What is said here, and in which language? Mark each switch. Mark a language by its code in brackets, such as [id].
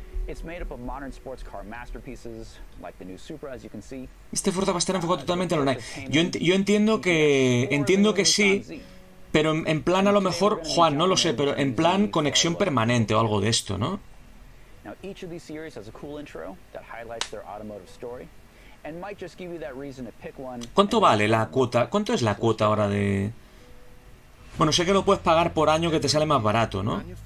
[en] It's made up of modern sports car masterpieces like the new Supra, as you can see. [es] Este Forza va a estar enfocado totalmente en online. Yo entiendo que sí, pero en plan a lo mejor, Juan, no lo sé, pero en plan conexión permanente o algo de esto, ¿no? [en] Now each of these series has a cool intro that highlights their automotive story, and might just give you that reason to pick one. [es] ¿Cuánto vale la cuota? ¿Cuánto es la cuota ahora de...? Bueno, sé que lo puedes pagar por año, que te sale más barato, ¿no?